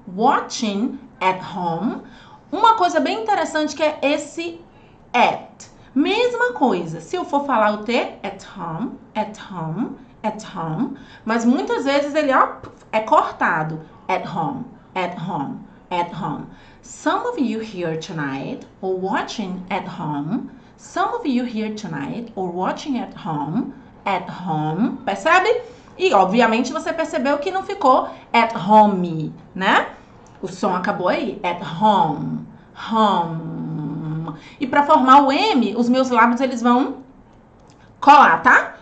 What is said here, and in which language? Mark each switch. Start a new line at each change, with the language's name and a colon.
English: Watching at home.
Portuguese: Uma coisa bem interessante que é esse at. Mesma coisa, se eu for falar o T,
English: at home, at home, at home,
Portuguese: mas muitas vezes ele, ó, é cortado.
English: At home, at home, at home. Some of you here tonight or watching at home. Some of you here tonight or watching at home,
Portuguese: percebe? E obviamente você percebeu que não ficou at home, né? O som acabou aí.
English: At home, home.
Portuguese: E para formar o M, os meus lábios eles vão colar, tá?